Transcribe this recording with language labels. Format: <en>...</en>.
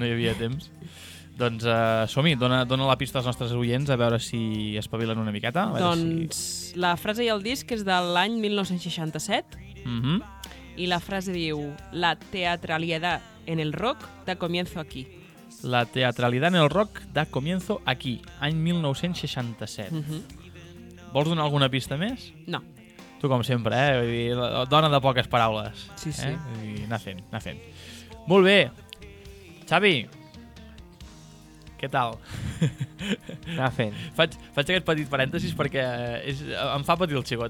<ca>No hi havia temps. Doncs som-hi, dona la pista als nostres oients a veure si espavilen una miqueta. La frase i el disc és de l'any 1967 i la frase diu:</ca> <es>la teatralidad en el rock da comienzo aquí. La teatralidad en el rock da comienzo aquí,</es> <ca>any 1967. Vols donar alguna pista més? No. Tu com sempre, vull dir, dona de poques paraules. Sí, sí. Vull dir, anar fent. Molt bé, Xavi. Què tal? Anar fent. Faig aquest petit parèntesis perquè em fa patir el xicot.</ca>